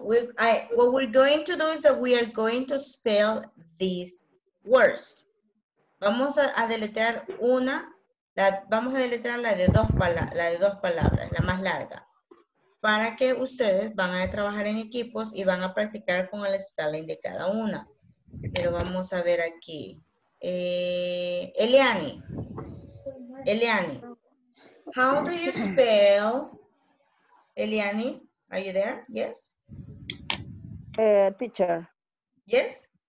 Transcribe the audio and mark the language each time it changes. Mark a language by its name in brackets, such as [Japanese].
[English] What we're going to do is that we are going to spell these words. [Spanish] Vamos a deletrear una, vamos a deletrear la de dos palabras, la más larga, para que ustedes van a trabajar en equipos y van a practicar con el spelling de cada una. Pero vamos a ver aquí. [English] Eliani, how do you spell, Eliani, are you there? Yes? Teacher. Yes?